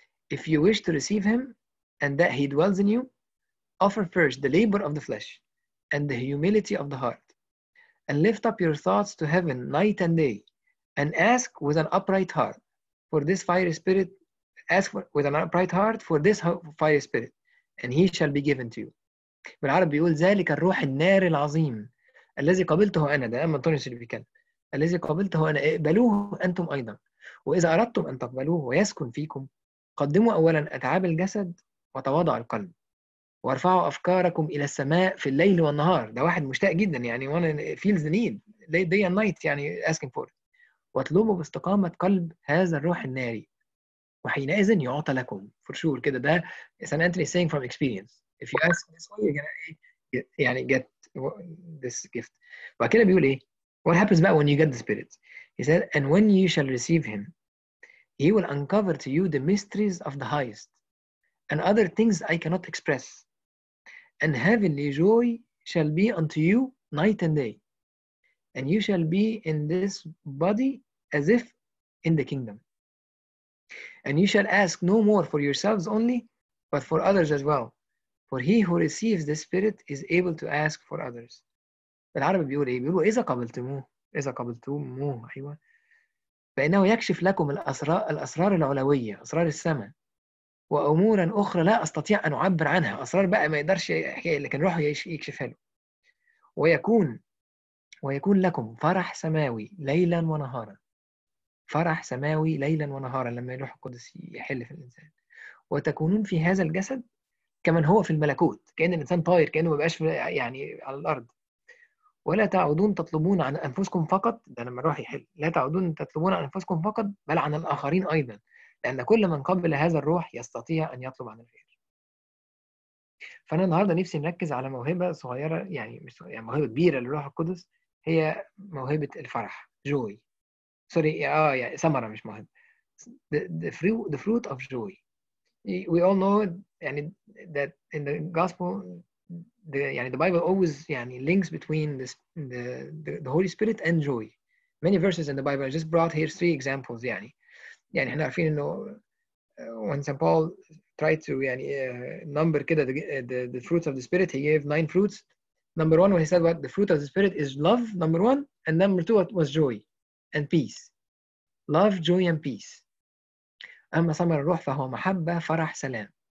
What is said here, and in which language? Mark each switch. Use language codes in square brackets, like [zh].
[en] If you wish to receive him and that he dwells in you, offer first the labor of the flesh and the humility of the heart, and lift up your thoughts to heaven night and day, and ask with an upright heart for this fiery spirit, ask for, with an upright heart for this fiery spirit, and he shall be given to you. [ar] بالعرب بيقول ذلك الروح النار العظيم الذي قبلته أنا, ده أما أنطونيوس اللي بيكلم, الذي قبلته أنا, اقبلوه أنتم أيضا, وإذا أردتم أن تقبلوه ويسكن فيكم, قدموا أولا أتعاب الجسد وتواضع القلب, وارفعوا أفكاركم إلى السماء في الليل والنهار. ده واحد مشتاق جدا يعني وانا [en] feels the need day and night يعني asking for it. [ar] واطلبوا باستقامة قلب هذا الروح الناري وحينئذ يعطى لكم. [en] For sure كده ده San Anthony saying from experience, if you ask this way you're gonna يعني get this gift. [ar] وكده بيقول إيه, [en] what happens about when you get the spirit, he said, and when you shall receive him he will uncover to you the mysteries of the highest and other things I cannot express. And heavenly joy shall be unto you night and day. And you shall be in this body as if in the kingdom. And you shall ask no more for yourselves only, but for others as well. For he who receives the Spirit is able to ask for others. [ar] العرب بيقول إيه؟ بيقول إذا قبلتموه أيوة. فإنه يكشف لكم الأسرار العلوية, أسرار السماء. وأمورا أخرى لا أستطيع أن أعبر عنها, أسرار بقى ما يقدرش يحكيها لكن روحه يكشفها له. ويكون لكم فرح سماوي ليلا ونهارا, فرح سماوي ليلا ونهارا لما الروح القدس يحل في الإنسان. وتكونون في هذا الجسد كمن هو في الملكوت, كأن الإنسان طاير كأنه ما بقاش يعني على الأرض. ولا تعودون تطلبون عن أنفسكم فقط, ده لما الروح يحل, لا تعودون تطلبون عن أنفسكم فقط بل عن الآخرين أيضا, لأن كل من قبل هذا الروح يستطيع أن يطلب عن الغير. فأنا النهاردة نفسي نركز على موهبة صغيرة يعني مش يعني موهبة كبيرة للروح القدس, هي موهبة الفرح, joy. سوري يعني ثمرة مش موهبة, [en] the fruit of joy. We all know يعني that in the gospel يعني the Bible always يعني links between the Holy Spirit and joy. Many verses in the Bible, I just brought here three examples يعني. [ar] يعني احنا عارفين انه [en] when St. Paul tried to يعني number كده the fruits of the Spirit, he gave 9 fruits. Number 1 when he said what the fruit of the Spirit is, love, number 1, and number 2 was joy and peace. Love, joy and peace. [ar] أما ثمر الروح فهو محبة, فرح, سلام.